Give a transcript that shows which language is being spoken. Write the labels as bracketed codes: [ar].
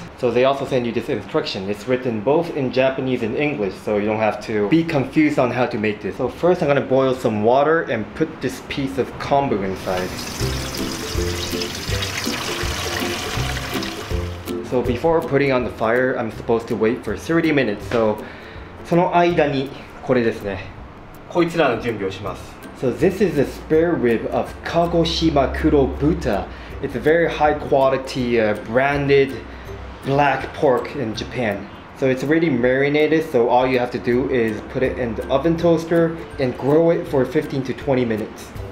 [en] So they also send you this instruction. It's written both in Japanese and English, so you don't have to be confused on how to make this. So first I'm gonna boil some water and put this piece of kombu inside. So before putting on the fire, I'm supposed to wait for 30 minutes. [ja] So, その間にこれですね。こいつらの準備をします。 [en] So this is a spare rib of Kagoshima Kuro Buta. It's a very high quality branded black pork in Japan. So it's already marinated, so all you have to do is put it in the oven toaster and grill it for 15 to 20 minutes.